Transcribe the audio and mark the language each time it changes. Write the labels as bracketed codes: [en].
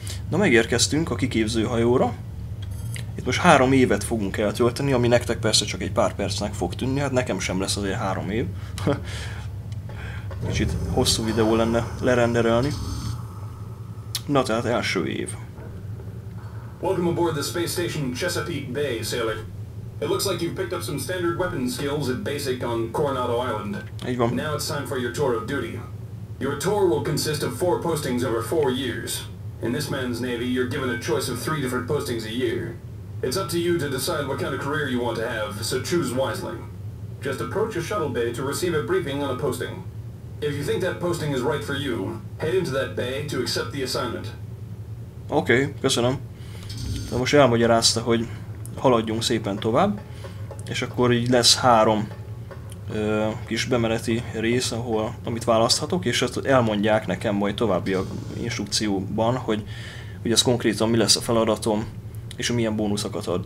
[hu] Na, megérkeztünk a kiképzőhajóra. Itt most 3 évet fogunk eltölteni, ami nektek persze csak egy pár percnek fog tűnni, hát nekem sem lesz azért 3 év. Kicsit hosszú videó lenne lerenderelni. Na, tehát első év. [en] Welcome aboard the space station Chesapeake Bay, sailor. It looks like you've picked up some standard weapon skills at basic on Coronado Island. [hu] Így van. [en] Now it's time for your tour of duty. Your tour will consist of 4 postings over 4 years. In this man's navy, you're given a choice of 3 different postings a year. It's up to you to decide what kind of career you want to have, so choose wisely. Just approach a shuttle bay to receive a briefing on a posting. If you think that posting is right for you, head into that bay to accept the assignment. [hu] Okay, köszönöm. De most elmagyarázta, hogy haladjunk szépen tovább, és akkor így lesz 3 kis bemeneti rész, ahol, amit választhatok, és ezt elmondják nekem majd további a instrukcióban, hogy, hogy ez konkrétan mi lesz a feladatom, és milyen bónuszokat ad.